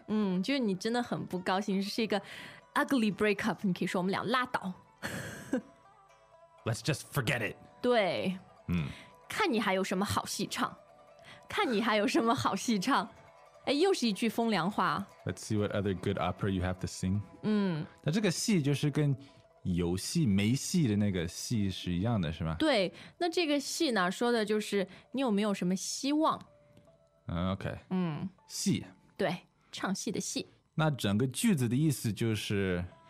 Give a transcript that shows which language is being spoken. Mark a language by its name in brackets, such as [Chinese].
[Chinese] 嗯，就是你真的很不高兴是一个 ugly breakup 你可以说我们俩拉倒 [English] Let's just forget it [Chinese] 对嗯，看你还有什么好戏唱看你还有什么好戏唱哎，又是一句风凉话 [English] Let's see what other good opera you have to sing 嗯， [Chinese] 那这个戏就是跟游戏没戏的那个戏是一样的是吗对那这个戏呢说的就是你有没有什么希望 [English] OK 嗯， [Chinese] 戏对唱戏的戏那整个句子的意思就是